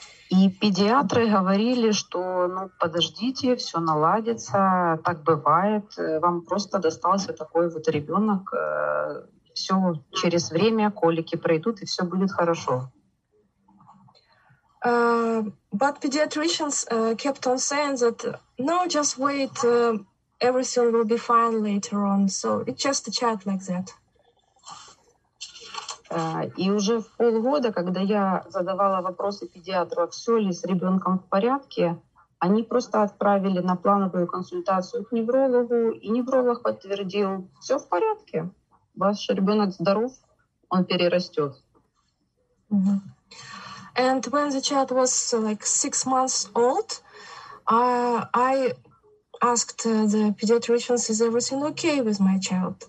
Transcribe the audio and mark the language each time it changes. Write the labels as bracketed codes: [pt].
[ru] И педиатры говорили, что ну подождите, все наладится, так бывает, вам просто достался такой вот ребенок, все через время колики пройдут и все будет хорошо. [en] But pediatricians kept on saying that, no, just wait, everything will be fine later on. So it's just a chat like that. [ru] И уже в полгода, когда я задавала вопросы педиатру, а все ли с ребенком в порядке, они просто отправили на плановую консультацию к неврологу, и невролог подтвердил, все в порядке, ваш ребенок здоров, он перерастет. Mm-hmm. [en] And when the child was like 6 months old, I asked the pediatricians, is everything okay with my child?